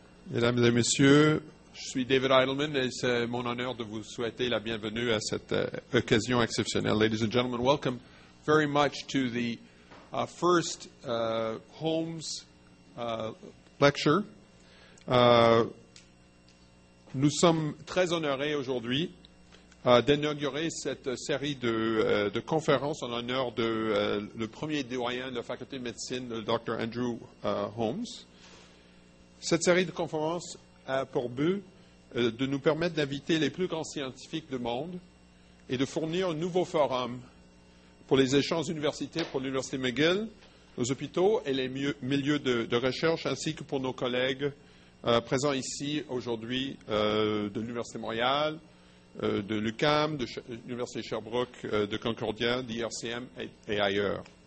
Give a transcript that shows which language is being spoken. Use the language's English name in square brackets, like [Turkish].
[French] Mesdames et messieurs, je suis David Eidelman et c'est mon honneur de vous souhaiter la bienvenue à cette occasion exceptionnelle. [English] Ladies and gentlemen, welcome very much to the first Holmes lecture. [French] Nous sommes très honorés aujourd'hui d'inaugurer cette série de conférences en honneur de le premier doyen de la faculté de médecine, le Dr. Andrew Holmes. Cette série de conférences a pour but de nous permettre d'inviter les plus grands scientifiques du monde et de fournir un nouveau forum pour les échanges universitaires pour l'Université McGill, nos hôpitaux et les milieux de recherche, ainsi que pour nos collègues présents ici aujourd'hui de l'Université Montréal, de l'UQAM, de l'Université Sherbrooke, de Concordia, d'IRCM et ailleurs.